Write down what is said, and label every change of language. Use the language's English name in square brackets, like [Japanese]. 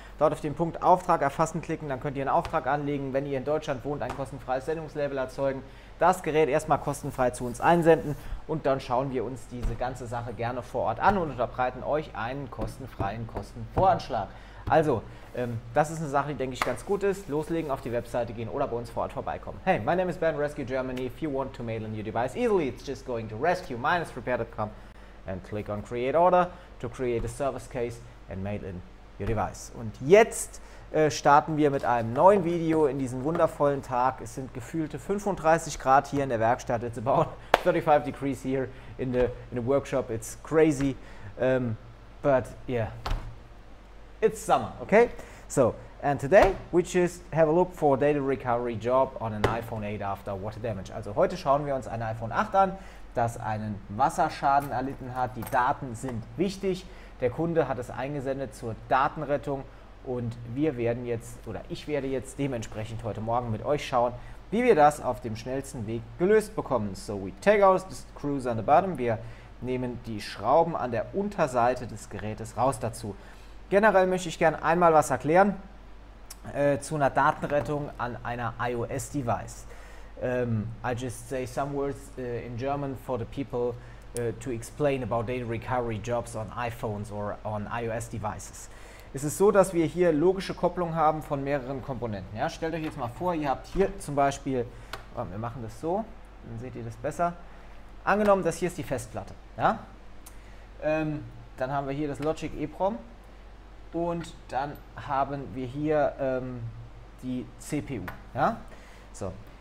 [German] Dort auf den Punkt Auftrag erfassen klicken, dann könnt ihr einen Auftrag anlegen, wenn ihr in Deutschland wohnt, ein kostenfreies Sendungslabel erzeugen. Das Gerät erstmal kostenfrei zu uns einsenden und dann schauen wir uns diese ganze Sache gerne vor Ort an und unterbreiten euch einen kostenfreien Kostenvoranschlag. Also, das ist eine Sache, die, denke ich, ganz gut ist. Loslegen, auf die Webseite gehen oder bei uns vor Ort vorbeikommen. [English] Hey, my name is Ben, Rescue Germany. If you want to mail a new device easily, it's just going to rescue-repair.com and click on create order to create a service case and mail in your device. [German] Und jetzt starten wir mit einem neuen Video in diesem wundervollen Tag. Es sind gefühlte 35 Grad hier in der Werkstatt. [English] It's about 35 degrees here in the workshop. It's crazy. But yeah, it's summer, okay? So, and today we just have a look for a data recovery job on an iPhone 8 after water damage. [German] Also heute schauen wir uns ein iPhone 8 an, das einen Wasserschaden erlitten hat. Die Daten sind wichtig. Der Kunde hat es eingesendet zur Datenrettung. Und wir werden jetzt, oder ich werde jetzt dementsprechend heute Morgen mit euch schauen, wie wir das auf dem schnellsten Weg gelöst bekommen. [English] So, we take out the screws on the bottom. [German] Wir nehmen die Schrauben an der Unterseite des Gerätes raus dazu. Generell möchte ich gerne einmal was erklären zu einer Datenrettung an einer iOS-Device. [English] I'll just say some words in German for the people to explain about data recovery jobs on iPhones or on iOS-Devices. [German] Es ist so, dass wir hier logische Kopplung haben von mehreren Komponenten. Ja, stellt euch jetzt mal vor, ihr habt hier zum Beispiel, wir machen das so, dann seht ihr das besser. Angenommen, das hier ist die Festplatte. Ja? Dann haben wir hier das Logic EEPROM und dann haben wir hier die CPU. Ja? So.